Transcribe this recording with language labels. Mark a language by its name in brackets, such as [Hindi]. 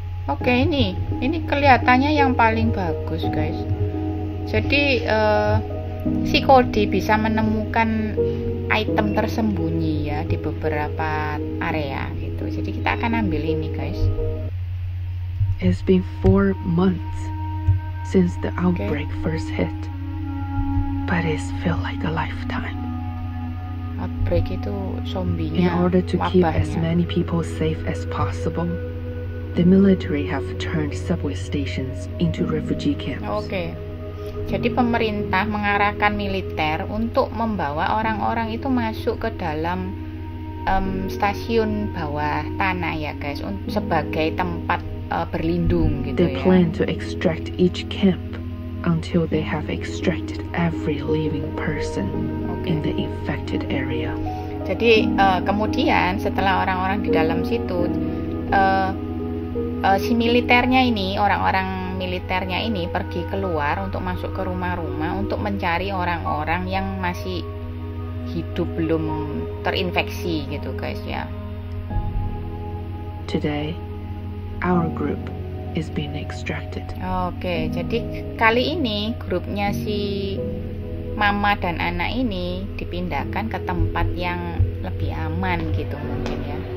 [Indonesian] Oke, ini kelihatannya yang paling bagus guys. Jadi si Cody bisa menemukan item tersembunyi ya di beberapa area gitu. Jadi kita akan ambil ini guys. [English] It's been 4 months since the outbreak first hit, but it feel like a lifetime. [Indonesian] Outbreak itu zombinya, wabahnya. [English] In order to keep as many people safe as possible, the military have turned subway stations into refugee camps. Okay. [Indonesian] Jadi pemerintah mengarahkan militer untuk membawa orang-orang itu masuk ke dalam stasiun bawah tanah ya guys, sebagai tempat berlindung gitu ya. [English] They plan to extract each camp until they have extracted every living person in the infected area. [Indonesian] Jadi kemudian setelah orang-orang di dalam situ, si militernya ini, orang-orang militernya ini pergi keluar untuk masuk ke rumah-rumah untuk mencari orang-orang yang masih hidup belum terinfeksi gitu guys ya. [English] Today our group is being extracted. [Indonesian] Oke, jadi kali ini grupnya si mama dan anak ini dipindahkan ke tempat yang lebih aman gitu mungkin ya.